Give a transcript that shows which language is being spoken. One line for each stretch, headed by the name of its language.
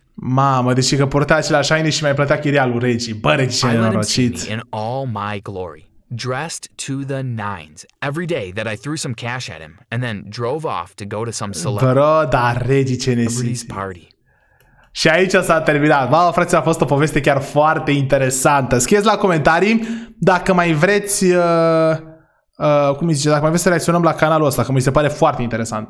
Romanian: Mama, deși că purta același haine și mai plătea chiria lui Reggie. Bă, Reggie, ce nenorocit.
English: In all my glory. Dressed to the nines. Every day that I threw some cash at him and then drove off to go to some celebrity's party.
Romanian: Și aici s-a terminat. Wow, frate, a fost o poveste chiar foarte interesantă. Scrieți la comentarii dacă mai vreți dacă mai vreți să reacționăm la canalul ăsta, că mi se pare foarte interesant.